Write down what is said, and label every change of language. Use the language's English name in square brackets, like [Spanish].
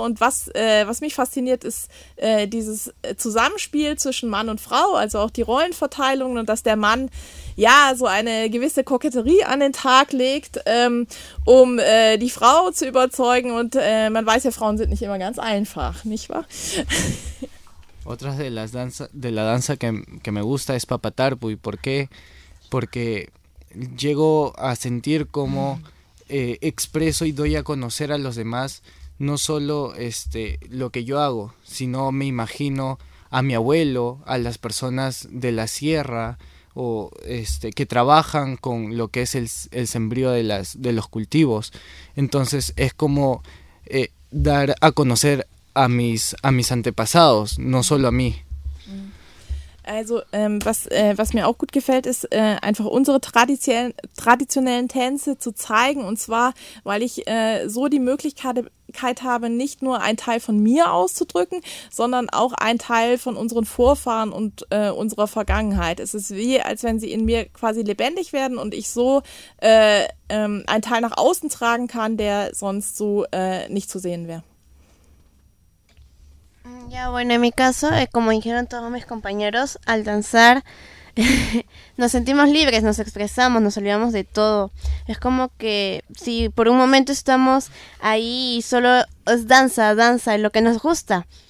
[German] Und was mich fasziniert, ist dieses Zusammenspiel zwischen Mann und Frau, also auch die Rollenverteilung, und dass der Mann ja so eine gewisse Koketterie an den Tag legt, um die Frau zu überzeugen. Und man weiß ja, Frauen sind nicht immer ganz einfach, nicht wahr? [Spanish] Otra de la danza que me gusta es Papa Tarpuy. ¿Por qué? Porque llego a sentir como expreso y doy a conocer a los demás no solo lo que yo hago, sino me imagino a mi abuelo, a las personas de la sierra o que trabajan con lo que es el sembrío de los cultivos. Entonces es como dar a conocer a mis antepasados, no solo a mí. [German] Also was mir auch gut gefällt, ist einfach unsere traditionellen Tänze zu zeigen, und zwar, weil ich so die Möglichkeit habe, nicht nur einen Teil von mir auszudrücken, sondern auch einen Teil von unseren Vorfahren und unserer Vergangenheit. Es ist wie, als wenn sie in mir quasi lebendig werden und ich so einen Teil nach außen tragen kann, der sonst so nicht zu sehen wäre. [Spanish] Ya, bueno, en mi caso, como dijeron todos mis compañeros, al danzar nos sentimos libres, nos expresamos, nos olvidamos de todo. Es como que si por un momento estamos ahí y solo es danza, lo que nos gusta.